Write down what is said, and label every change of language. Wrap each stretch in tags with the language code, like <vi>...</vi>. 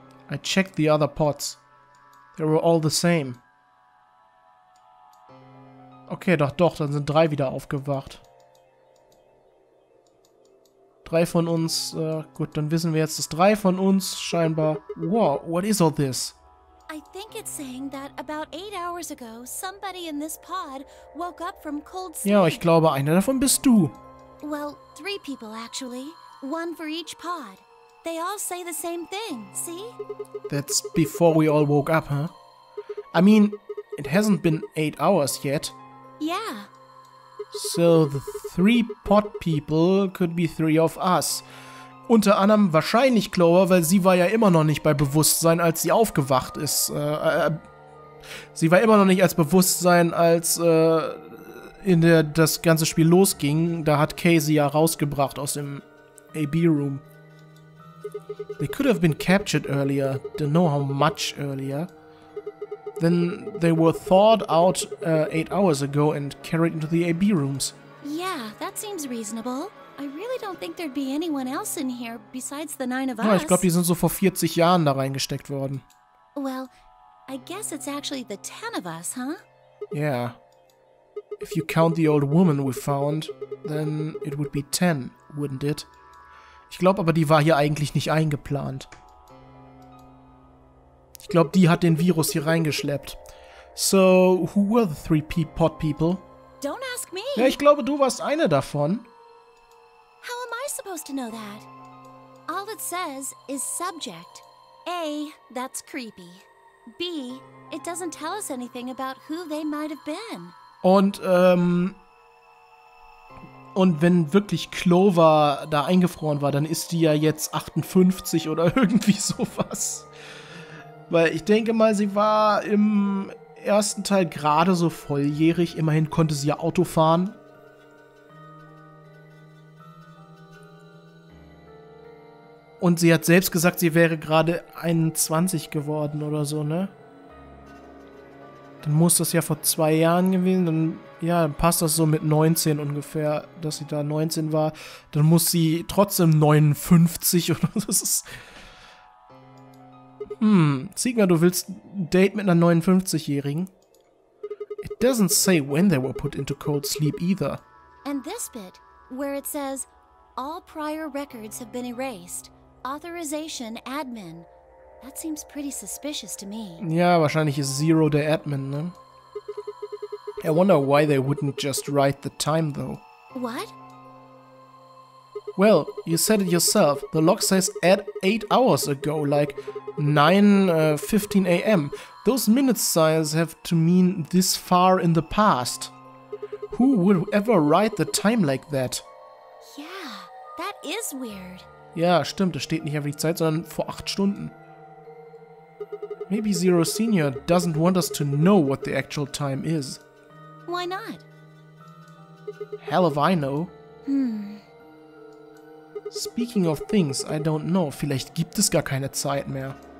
<en>I checked the other pods. They were all the same.</en> <de>Okay, doch, dann sind drei wieder aufgewacht. Drei von uns, gut, dann wissen wir jetzt, dass drei von uns scheinbar...</de> <en>Wow, what is all this? I think it's saying that about 8 hours ago, somebody in this pod woke up from cold sleep.</en> <de>Ja, ich glaube, einer davon bist du.</de> <en>Well, three people actually. One for each pod. They all say the same thing, see? That's before we all woke up, huh? I mean, it hasn't been 8 hours yet. Yeah. So the three pod people could be three of us.</en> <de>Unter anderem wahrscheinlich Clover, weil sie war ja immer noch nicht bei Bewusstsein, als sie aufgewacht ist. Sie war immer noch nicht als Bewusstsein, als in der das ganze Spiel losging. Da hat Kay sie ja rausgebracht aus dem AB-Room.</de> <en>They could have been captured earlier. Don't know how much earlier. Then they were thawed out 8 hours ago and carried into the AB rooms. Yeah, that seems reasonable. I really don't think there'd be anyone else in here besides the nine of us.</en> <de>Ja, ich glaube, die sind so vor 40 Jahren da reingesteckt worden.</de> <en>Well, I guess it's actually the 10 of us, huh? Yeah. If you count the old woman we found, then it would be 10, wouldn't it?</en> <de>Ich glaube aber, die war hier eigentlich nicht eingeplant. Ich glaube, die hat den Virus hier reingeschleppt.</de> <en>So, who were the three pod people? Don't ask me.</en> <de>Ja, ich glaube, du warst eine davon.</de> <en>How am I supposed to know that? All it says is subject. A, that's creepy. B, it doesn't tell us anything about who they might have been.</en> <de>Und wenn wirklich Clover da eingefroren war, dann ist die ja jetzt 58 oder irgendwie sowas. Weil ich denke mal, sie war im ersten Teil gerade so volljährig. Immerhin konnte sie ja Auto fahren. Und sie hat selbst gesagt, sie wäre gerade 21 geworden oder so, ne? Dann muss das ja vor 2 Jahren gewesen. Dann, ja, dann passt das so mit 19 ungefähr, dass sie da 19 war. Dann muss sie trotzdem 59 oder so. Das ist... Signa, du willst ein Date mit einer 59-Jährigen?</de> <en>It doesn't say when they were put into cold sleep either. And this bit, where it says, all prior records have been erased. Authorization, admin. That seems pretty suspicious to me.</en> <de>Ja, wahrscheinlich ist Zero der Admin, ne?</de> <en>I wonder why they wouldn't just write the time, though. What? Well, you said it yourself. The log says at 8 hours ago, like 9:15 a.m. Those minute signs have to mean this far in the past. Who would ever write the time like that? Yeah, that is weird.</en> <de>Ja, stimmt, es steht nicht auf die Zeit, sondern vor 8 Stunden.</de> <en>Maybe Zero Senior doesn't want us to know what the actual time is. Why not? Hell if I know. Speaking of things, I don't know,</en> <de>vielleicht gibt es gar keine Zeit mehr.</de>